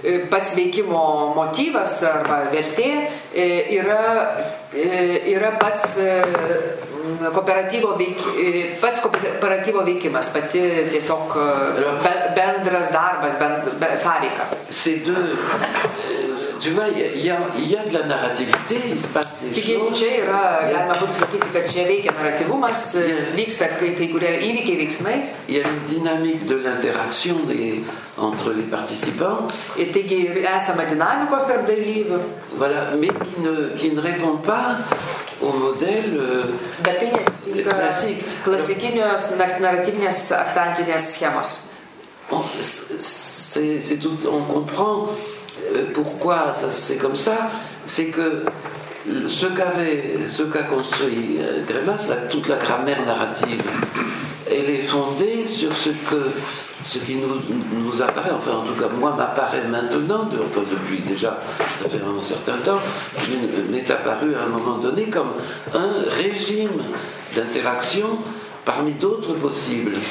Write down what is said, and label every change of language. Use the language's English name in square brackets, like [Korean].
[Lithuanian] Pats veikimo motyvas arba vertė yra pats kooperatyvo veikimas, pati tiesiog bendras darbas, sąveika. [French] C'est de, tu vois, il y a de la narrativité, il se passe des choses. [Lithuanian] Taigi, čia yra, galima būtų sakyti, kad čia veikia narratyvumas, vyksta kai kurie įvykiai, veiksmai. [French] Il y a une dynamique de l'interaction entre les participants. [Lithuanian] Et taigi, esama dynamikos tarp dalyvių. [French] Voilà, mais qui ne répond pas au modèle [Lithuanian] klasikinės narratyvinės aktantinės schemos. [French] C'est tout, on comprend pourquoi ça, c'est comme ça, c'est que ce qu'a construit Grémas, toute la grammaire narrative, elle est fondée sur ce qui nous apparaît, enfin en tout cas moi m'apparaît maintenant, depuis déjà ça fait un certain temps, m'est apparu à un moment donné comme un régime d'interaction parmi d'autres possibles.